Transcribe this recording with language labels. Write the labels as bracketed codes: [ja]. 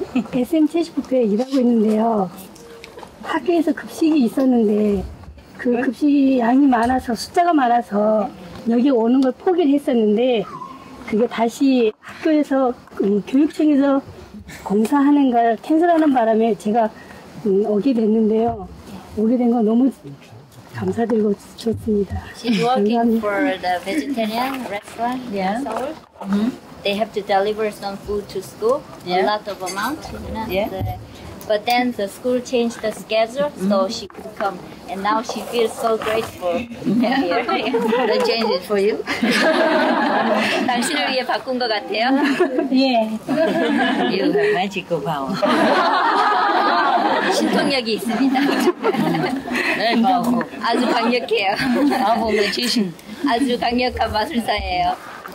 [ko] SM70부터 일하고 있는데요. 학교에서 급식이 있었는데 그 급식이 양이 많아서 숫자가 많아서 여기 오는 걸 포기를 했었는데 그게 다시 학교에서 교육청에서 공사하는 걸 캔슬하는 바람에 제가 오게 됐는데요. 오게 된 건 너무 감사드리고 좋습니다. [en] She's working for the vegetarian restaurant in Seoul. Mm-hmm. They have to deliver some food to school, a lot of amount. You know? Yeah. But then the school changed the schedule, so she could come. And now she feels so grateful to be here. I changed it for you. [ko] 당신을 위해 바꾼 것 같아요? [en] Yeah. You have magical power. [ko] 신통력이 있습니다. 네, 바보. 아주 강력해요. 바보 매지신. 아주 강력한 마술사예요.